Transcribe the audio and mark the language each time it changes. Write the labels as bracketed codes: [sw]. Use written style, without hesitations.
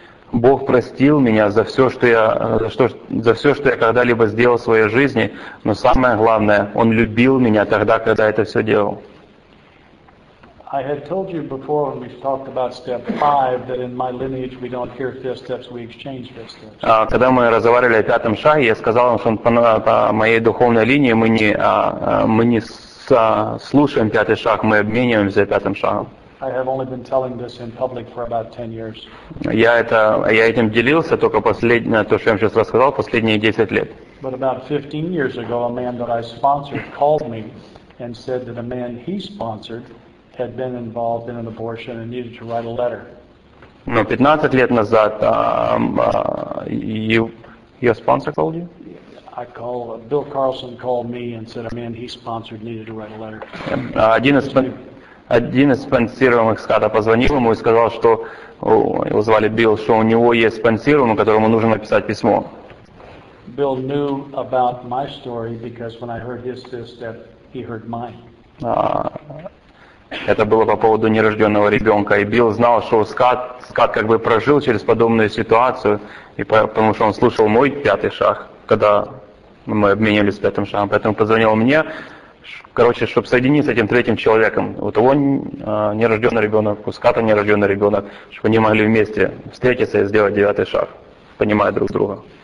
[ru] Бог простил меня за все, что я когда-либо сделал в своей жизни, но самое главное, Он любил меня тогда, когда это все делал. [en] I had told you before when we talked about step five that in my lineage we don't hear fifth steps, we exchange fifth steps. [ru] Когда мы разговаривали о пятом шаге, я сказал вам, что по моей духовной линии мы не слушаем пятый шаг, мы обмениваемся пятым шагом. [en] I have only been telling this in public for about 10 years. [ru] Я этим делился только последнее, то, что я вам сейчас рассказал, последние 10 лет. [en] But about 15 years ago, a man that I sponsored called me and said that a man he sponsored had been involved in an abortion and needed to write a letter. [ru] Но 15 лет назад, [en] your sponsor called you? Bill Carlson called me and said a man he sponsored needed to write a letter. [ru] Один из спонсируемых СКАТа позвонил ему и сказал, что его звали Билл, что у него есть спонсируемый, которому нужно написать письмо. [en] Билл knew about my story because when I heard his fifth step, he heard mine. [ru] Это было по поводу нерожденного ребенка, и Билл знал, что СКАТ как бы прожил через подобную ситуацию, и потому что он слушал мой пятый шаг, когда мы обменивались пятым шагом, поэтому позвонил мне. Короче, чтобы соединиться с этим третьим человеком, у того нерожденный ребенок, у Ската нерожденный ребенок, чтобы они могли вместе встретиться и сделать девятый шаг, понимая друг друга.